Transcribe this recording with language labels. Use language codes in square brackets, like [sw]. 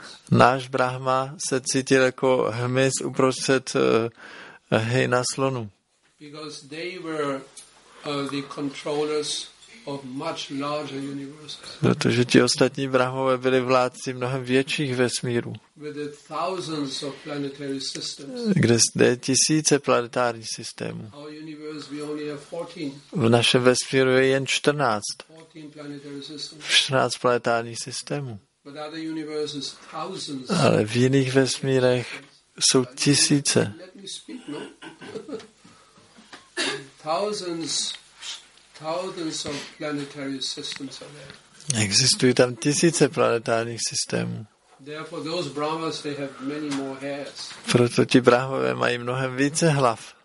[cs] Náš Brahma se cítil jako hmyz uprostřed hejna slonů. [en] Because they were the controllers of much larger universes. [cs] Protože ti ostatní brahmové byli vládci mnohem větších vesmírů. [en] With the thousands of planetary systems. [cs] Kde jsou tisíce planetárních systémů. [en] Our universe, we only have 14. [cs] V našem vesmíru je jen 14. [en] 14 planetary systems. [cs] 14 planetárních systémů. [en] But other universes, thousands. [cs] Ale v jiných vesmírech jsou tisíce. [en] Let me speak, no? Thousands, thousands of planetary systems are there. [cs] Existují tam tisíce planetárních systémů. [en] Therefore, those brahmas, they have many more heads. [cs] Proto ti brahmové mají mnohem více hlav.